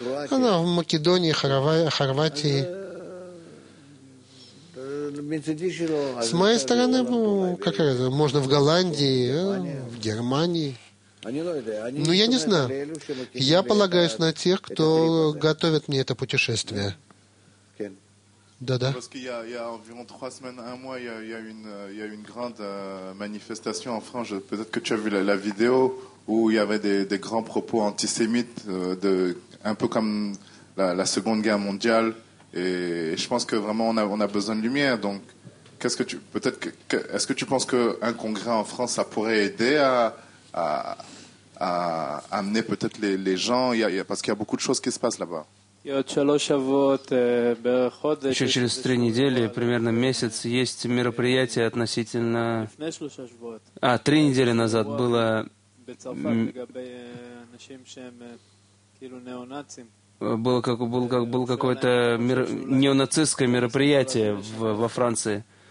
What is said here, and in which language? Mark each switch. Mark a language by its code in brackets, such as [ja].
[ru] Она в Македонии, Хорватии. С моей стороны, как раз, можно в Голландии, в Германии. Ну, я не знаю. Я полагаюсь на тех, кто готовит мне это путешествие. Да-да. [fr] Parce qu'il y a environ trois semaines, un mois, il y a une grande manifestation en France. Peut-être que tu as vu la vidéo où il y avait des grands propos antisémites, de un peu comme la Seconde Guerre mondiale. Et je pense que vraiment on a besoin de lumière. Donc, est-ce que tu penses qu'un congrès en France, ça pourrait aider à amener peut-être les gens, parce qu'il y a beaucoup de choses qui se passent là-bas. [ru] Еще через три недели, примерно месяц, есть мероприятие относительно... Три недели назад было... Было какое-то неонацистское мероприятие во Франции.